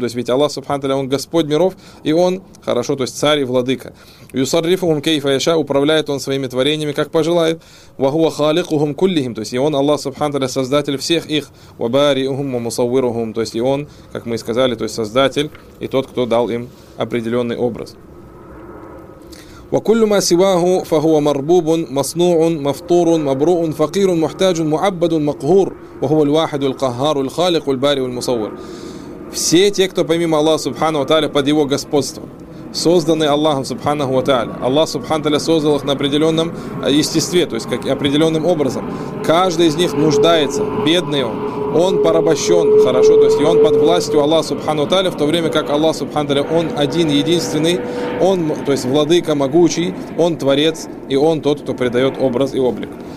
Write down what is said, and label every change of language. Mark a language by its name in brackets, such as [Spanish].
[Russian] То есть ведь Аллах Субхану Тааля, он Господь миров, и он, хорошо, то есть царь и владыка. [Arabic] «Юсаррифухум кейфа яша», [Russian] управляет он своими творениями, как пожелает. [Arabic] «Ва хуа халикухум куллихим», [Russian] то есть и он, Аллах Субхану Тааля, создатель всех их. [Arabic] «Ва бариухум ва мусаввирухум», [Russian] то есть и он, как мы сказали, то есть создатель и тот, кто дал им определенный образ. [Arabic] وكل ما سواه فهو مربوب مصنوع مفطور مبروء فقير محتاج معبد مقهور وهو الواحد القهار الخالق البارئ المصور. [Russian] Все те, кто помимо Аллаха Субхану ва Тааля под его господством, созданы Аллахом Субхану ва Тааля. Аллах Субхану ва Тааля создал их на определенном естестве, то есть как определенным образом. Каждый из них нуждается, бедный он. Он порабощен, хорошо, то есть и он под властью Аллаха Субхану Тааля, в то время как Аллах Субхану Тааля, он один, единственный, он, то есть владыка могучий, он творец, и он тот, кто придает образ и облик.